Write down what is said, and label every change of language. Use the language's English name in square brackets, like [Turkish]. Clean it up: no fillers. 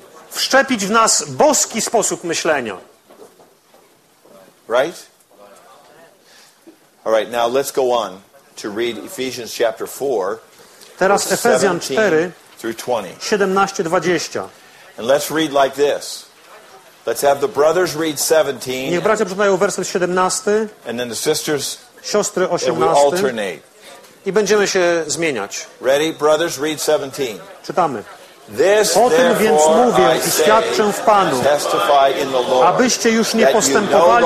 [Polish] Wszczepić w nas boski sposób myślenia. [English] Right? All right, now let's go on to read Ephesians chapter 4. [Polish] Teraz Efezjan 4, 17-20. [English] And let's read like this. Let's have the brothers read 17. [Polish] Niech bracia przeczytają werset 17. [English] And then the sisters, [Polish] siostry 18. [English] And we alternate. [Polish] I będziemy się zmieniać. [English] Ready, brothers, read 17. [Polish] Czytamy. [English] This, [Polish] o tym więc mówię i świadczę w Panu, [English] Lord, [Polish] abyście już nie postępowali